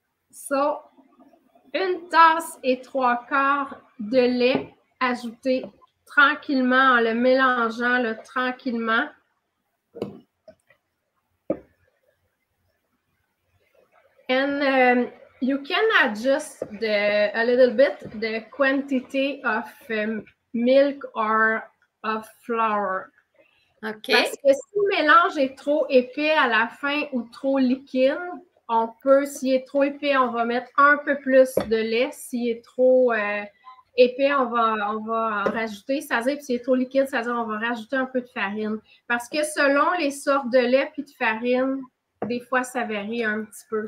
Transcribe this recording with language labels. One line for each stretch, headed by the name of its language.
French: So, une tasse et 3/4 de lait ajouté tranquillement en le mélangeant là, tranquillement.
English: And you can adjust a little bit the quantity of milk or of flour. Okay.
French: Parce que si le mélange est trop épais à la fin ou trop liquide, on peut, s'il est trop épais, on va mettre un peu plus de lait. S'il est trop épais, on va en rajouter. Ça veut dire que s'il est trop liquide, ça veut dire qu'on va rajouter un peu de farine. Parce que selon les sortes de lait puis de farine, des fois, ça varie un petit peu.